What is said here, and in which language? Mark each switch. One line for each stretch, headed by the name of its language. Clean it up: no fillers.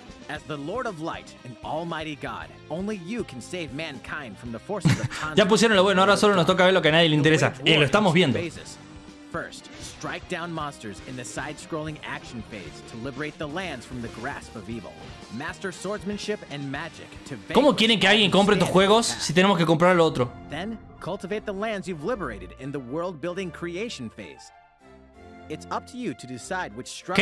English: As the Lord of Light and Almighty God, only you can save mankind from the forces of consciousness.
Spanish: Ya pusieron lo bueno, ahora solo nos toca ver lo que a nadie le interesa. Y lo estamos viendo.
English: First, strike down monsters in the side-scrolling action phase to liberate the lands from the grasp of evil. Master swordsmanship and magic to vanquish.
Spanish: ¿Cómo quieren que alguien compre estos juegos si tenemos que comprar lo otro?
English: Then, cultivate the lands you've liberated in the world-building creation phase. It's up to you to decide which structure.